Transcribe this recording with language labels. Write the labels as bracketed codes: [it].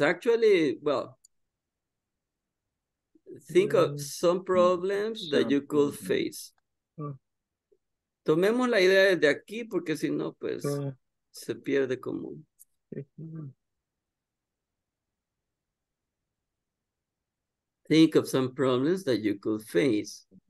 [en] Actually, well, think of some problems that you could face. [es] Tomemos la idea desde aquí porque si no, pues, se pierde como... [en] Think of some problems that you could face.